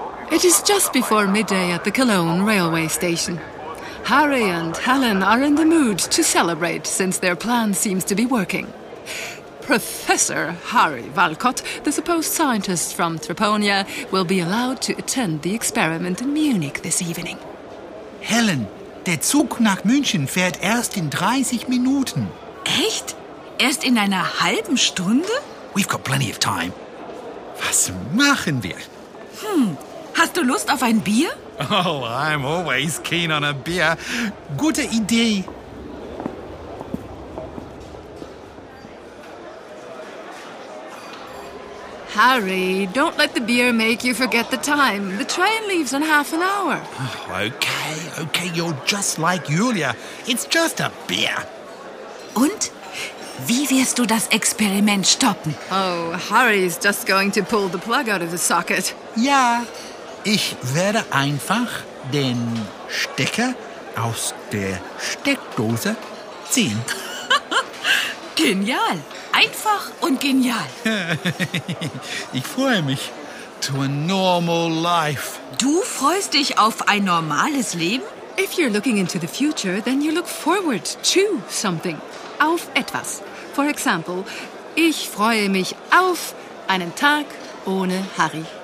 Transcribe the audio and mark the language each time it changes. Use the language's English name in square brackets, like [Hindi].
[English] It is just before midday at the Cologne railway station. Harry and Helen are in the mood to celebrate since their plan seems to be working. Professor Harry Walcott, the supposed scientist from Treponia, will be allowed to attend the experiment in Munich this evening. [German] Helen, der Zug nach München fährt erst in 30 Minuten. Echt? Erst in einer halben Stunde? [English] We've got plenty of time. [German] Was machen wir? Hast du Lust auf ein Bier? [English] Oh, I'm always keen on a beer. [German] Gute Idee. [English] Harry, don't let the beer make you forget the time. The train leaves in half an hour. Okay, you're just like Julia. It's just a beer. [German] Und? Wie wirst du das Experiment stoppen? [English] Oh, Harry's just going to pull the plug out of the socket. Yeah. [German] Ich werde einfach den Stecker aus der Steckdose ziehen. Genial. Einfach und genial. Ich freue mich [English] to a normal life. [German] Du freust dich auf ein normales Leben? [English] If you're looking into the future, then you look forward to something. [German] Auf etwas. [English] For example, [German] ich freue mich auf einen Tag ohne Harry.